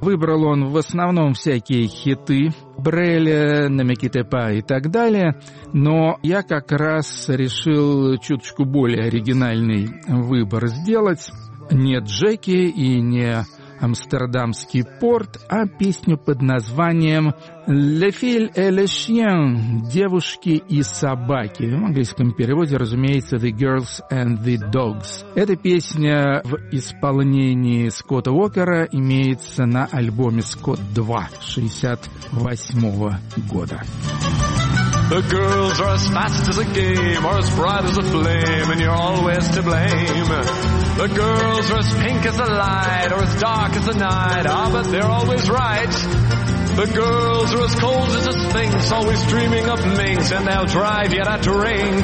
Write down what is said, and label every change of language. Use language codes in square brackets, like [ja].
[ru] Выбрал он в основном всякие хиты Бреля, Намекитепа и так далее, но я как раз решил чуточку более оригинальный выбор сделать. Не «Джеки» и не «Амстердамский порт», а песню под названием «Le fil et le chien» — «Девушки и собаки». В английском переводе, разумеется, «The girls and the dogs». Эта песня в исполнении Скотта Уокера имеется на альбоме «Скотт 2» 68-го года. [en] The girls are as fast as a game, or as bright as a flame, and you're always to blame. The girls are as pink as the light, or as dark as the night, ah, but they're always right. The girls are as cold as a sphinx, always dreaming of minx, and they'll drive you to drink.